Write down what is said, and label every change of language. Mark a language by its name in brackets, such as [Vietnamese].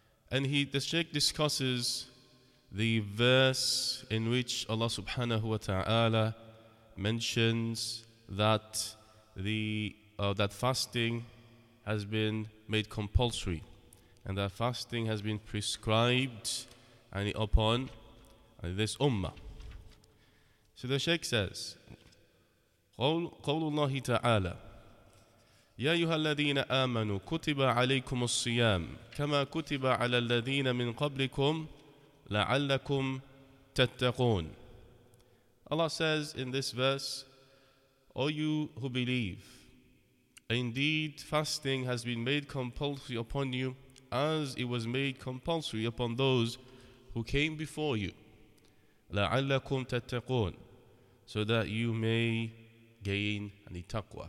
[English] And the Sheikh discusses the verse in which Allah subhanahu wa ta'ala mentions that that fasting has been made compulsory, and that fasting has been prescribed upon this ummah. So the Sheikh says, [Arabic] قول الله تعالى يا أيها الذين آمنوا كتب عليكم الصيام كما كتب على الذين من قبلكم لعلكم تتقون. [English] Allah says in this verse, O you who believe, indeed fasting has been made compulsory upon you as it was made compulsory upon those who came before you. [Arabic] لَعَلَّكُمْ تَتَّقُونَ [English] So that you may gain taqwa.